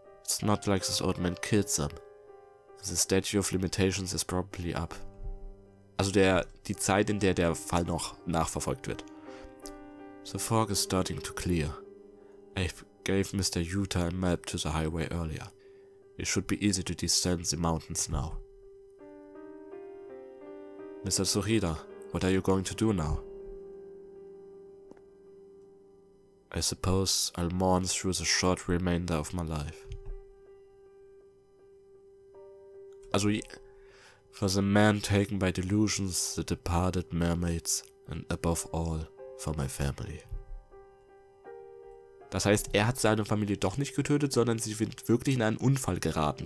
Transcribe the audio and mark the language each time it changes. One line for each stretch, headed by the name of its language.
English: It's not like this old man killed them. The Statue of Limitations is probably up.
German: Also die Zeit, in der Fall noch nachverfolgt wird.
English: The fog is starting to clear. Gave Mr. Utah a map to the highway earlier. It should be easy to descend the mountains now. Mr. Tsuhida, what are you going to do now? I suppose I'll mourn through the short remainder of my life. Also, for the man taken by delusions, the departed mermaids, and above all, for my family.
German: Das heißt, er hat seine Familie doch nicht getötet, sondern sie sind wirklich in einen Unfall geraten.